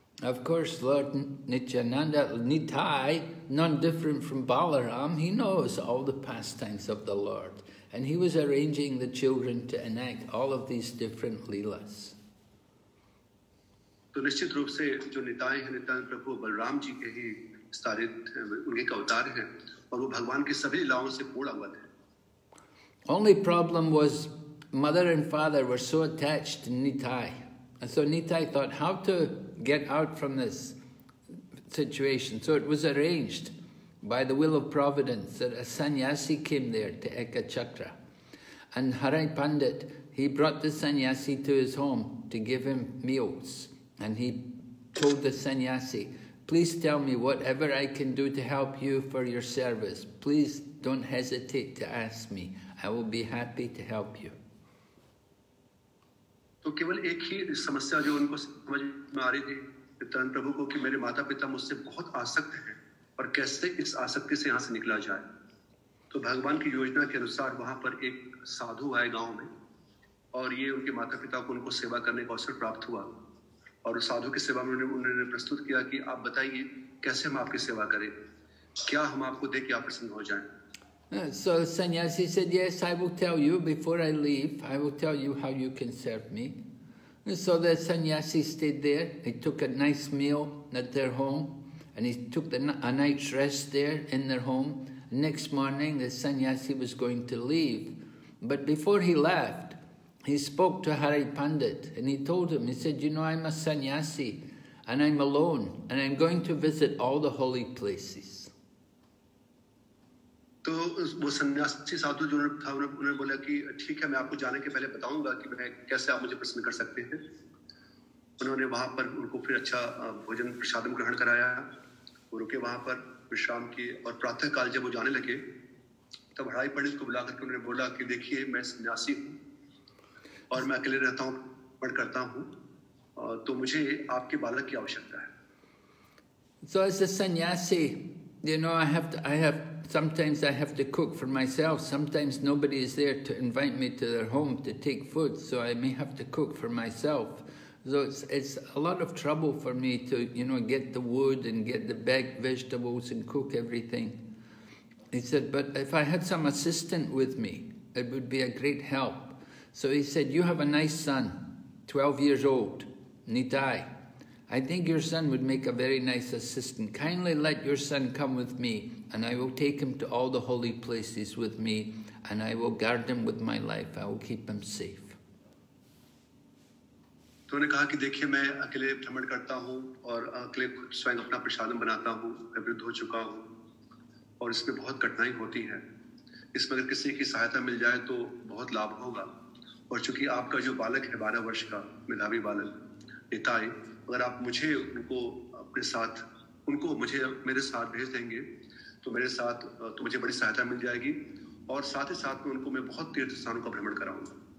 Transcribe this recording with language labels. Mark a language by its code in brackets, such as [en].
[en] Of course Lord Nityananda Nitai non different from Balaram, he knows all the pastimes of the Lord and he was arranging the children to enact all of these different lilas. [hi] तो निश्चित रूप से जो निताय हैं नित्यानंद प्रभु बलराम जी के ही स्थारित उनके अवतार हैं और वो भगवान के सभी लीलाओं से पूर्ण अवगत हैं. [en] Only problem was mother and father were so attached to Nitai, and so Nitai thought how to get out from this situation. So it was arranged by the will of providence that a sannyasi came there to Ekachakra, and Hari Pandit, he brought the sannyasi to his home to give him meals. And he told the sannyasi, please tell me whatever I can do to help you for your service. Please don't hesitate to ask me. I will be happy to help you. [hi] तो केवल एक ही समस्या जो उनको समझ में आ रही थी नित्यानंद प्रभु को कि मेरे माता पिता मुझसे बहुत आसक्त हैं और कैसे इस आसक्ति से यहाँ से निकला जाए. तो भगवान की योजना के अनुसार वहाँ पर एक साधु आए गांव में और ये उनके माता पिता को उनको सेवा करने का अवसर प्राप्त हुआ. और साधु की सेवा में उन्होंने प्रस्तुत किया कि आप बताइए कैसे हम आपकी सेवा करें, क्या हम आपको दे के आप प्रसन्न हो जाएं. [en] So sannyasi said, yes, I will tell you before I leave. I will tell you how you can serve me. And so the sannyasi stayed there. He took a nice meal at their home, and he took a night's rest there in their home. Next morning, the sannyasi was going to leave, but before he left, he spoke to Hari Pandit and he told him, he said, you know, I'm a sannyasi and I'm alone and I'm going to visit all the holy places. [hi] So वो sannyasi साधु जो था उन्होंने बोला कि ठीक है, मैं आपको जाने के पहले बताऊंगा कि मैं कैसे आप मुझे प्रसन्न कर सकते हैं. उन्होंने वहां पर उनको फिर अच्छा भोजन प्रसाद ग्रहण कराया, वो रुके वहां पर विश्राम किए, और प्रातः काल जब वो जाने लगे तब हरि पंडित को बुला करके उन्होंने बोला कि देखिए मैं सन्यासी हूँ और मैं अकेले रहता हूँ, पढ़ करता हूँ, तो मुझे आपके बालक की आवश्यकता है. [en] So as a sannyasi, you know, I have to cook for myself. Sometimes nobody is there to invite me to their home to take food, so I may have to cook for myself. So it's a lot of trouble for me to, you know, get the wood and get the baked vegetables and cook everything. He said, but if I had some assistant with me, it would be a great help. So he said, you have a nice son, 12 years old, Nitai, I think your son would make a very nice assistant. Kindly let your son come with me, and I will take him to all the holy places with me, and I will guard him with my life. I will keep him safe. [hi] तो उन्होंने कहा कि देखिए मैं अकेले भ्रमण करता हूँ और अकेले खुद स्वयं अपना प्रसादम बनाता हूँ. मैं वृद्ध हो चुका हूँ और इसमें बहुत कठिनाई होती है. इसमें अगर किसी की सहायता मिल जाए तो बहुत लाभ होगा. और चूंकि आपका जो बालक है 12 वर्ष का मेधावी बालक निताय, अगर आप मुझे उनको अपने साथ उनको मुझे मेरे साथ भेज देंगे तो मेरे साथ तो मुझे बड़ी सहायता मिल जाएगी और साथ ही साथ में उनको मैं बहुत तीर्थ स्थानों का भ्रमण कराऊंगा.